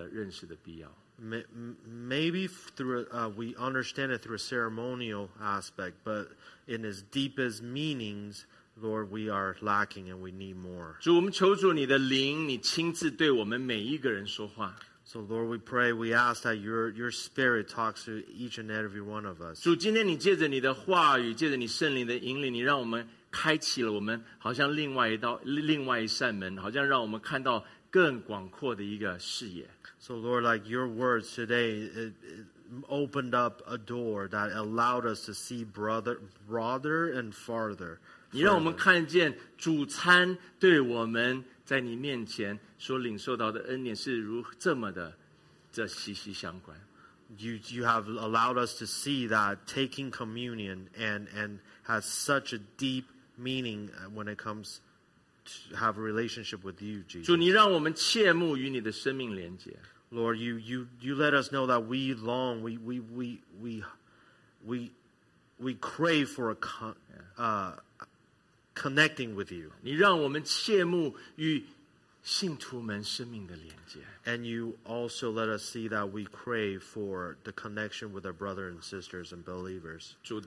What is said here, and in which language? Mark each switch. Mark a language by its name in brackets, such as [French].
[Chinese] 可能从形式上面我们熟悉，但是在含义上面，神啊，我们真的是有许许多多更多的认识的必要。 [English] Maybe through we understand it through a ceremonial aspect, but in its deepest meanings, Lord, we are lacking and we need more. [Chinese] 主，我们求主你的灵，你亲自对我们每一个人说话。 [English] So Lord, we pray, we ask that your spirit talks to each and every one of us. [Chinese] 主，今天你借着你的话语，借着你圣灵的引领，你让我们开启了我们好像另外一扇门，好像让我们看到更广阔的一个视野。 [English] So Lord, like your words today, it opened up a door that allowed us to see broader and farther. [Chinese] 你让我们看见主餐对我们在你面前所领受到的恩典是如这么的息息相关。 [English] you have allowed us to see that taking communion and has such a deep meaning when it comes to have a relationship with you, Jesus. [Chinese] 主，你让我们切慕与你的生命连接。 [English] Lord, you let us know that we long, we crave for a connecting with you. [Chinese] 你让我们切慕与信徒们生命的连接。 [English] And you also let us see that we crave for the connection with our brothers and sisters and believers.